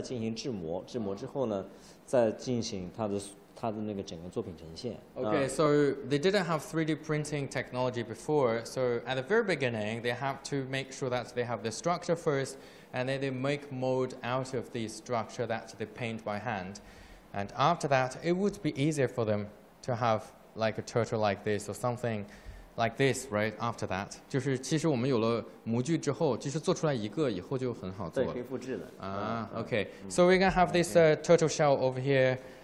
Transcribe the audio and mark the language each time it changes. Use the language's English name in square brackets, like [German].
[Chinese] 其实像我们现在比赛呢，以前呢是没有3D这个技术的，啊，就是近几年来会把这个上面的，比如这一块，我们刚开始做的时候还是手塑的，就是雕塑，先把它雕出来之后呢，再进行制模，制模之后呢，再进行它的。 [English] Okay, so they didn't have 3D printing technology before, so at the very beginning, they have to make sure that they have the structure first, and then they make mold out of the structure that they paint by hand. And after that, it would be easier for them to have like a turtle like this or something like this, right, after that. [Chinese] 就是其实我们有了模具之后,就是做出来一个以后就很好做。 [English] Okay, so we're going to have this turtle shell over here.